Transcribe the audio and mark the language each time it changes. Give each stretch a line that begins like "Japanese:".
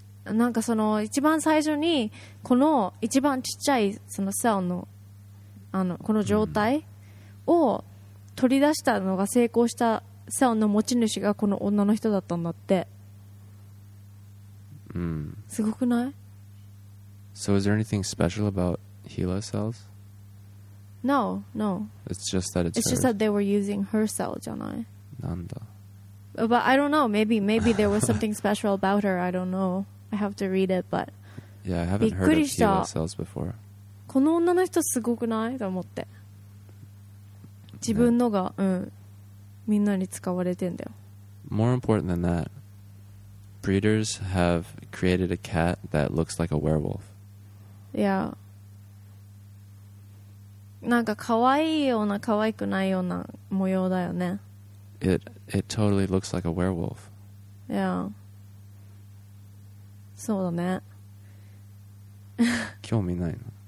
Japanese: なんかその一番最初にこの一番ちっちゃいそのセルのあのこの状態を取り出したのが成功したセルの持ち主がこの女の人だったんだって。すごくない?
English: So is there anything special about HeLa cells? No, no. It's just that it's just that they were using her cell,
Japanese: janai. Nanda.
English: But I don't know. Maybe there was something special about her. I don't know. I have to read it, but... Yeah, I haven't heard of Tila cells before.
Japanese: この女の人すごくない?と思って。自分のが、うん、みんなに使われてんだよ。
English: More important than that, breeders have created a cat that looks like a werewolf. Yeah.
Japanese: なんか可愛いような可愛くないような模様だよね。
English: It totally looks like a werewolf. Yeah.
Japanese: そうだね。興味ないの。